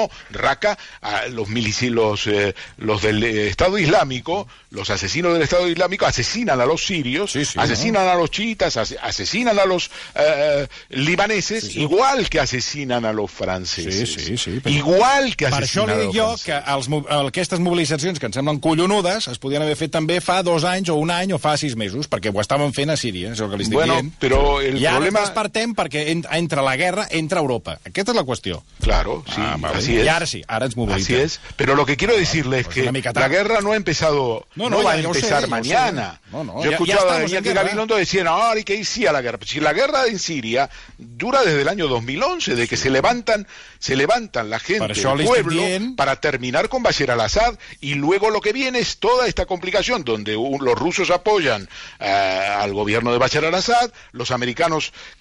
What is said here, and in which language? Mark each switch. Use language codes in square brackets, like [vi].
[es] Raqqa, los del Estado Islámico, los asesinos del Estado Islámico, asesinan a los sirios, asesinan a los chiitas, asesinan a los libaneses, igual que asesinan a los franceses. Igual que asesinan a los franceses. [ca] Aquestes mobilitzacions, que em semblen collonudes, es podien haver fet també fa dos anys o un any o fa sis mesos, perquè ho estaven fent a Síria, és el que li estic dient. Però el I ara problema... ens despertem perquè entra la guerra, entra Europa. Aquesta és la qüestió. [es] Claro, sí, así es. [ca] I ara sí, ara ens mobilitzem. [es] Así es. Pero lo que quiero decirle es que la guerra no ha empezado... No va a empezar mañana. Yo he escuchado a Iñaki Gabilondo diciendo, ¿y qué hicía la guerra? Si la guerra en Siria dura desde el año 2011, de que se levantan la gente, el pueblo, para terminar con Bashar al-Assad, y luego lo que viene es toda esta complicación, donde los rusos apoyan al gobierno de Bashar al-Assad, los americanos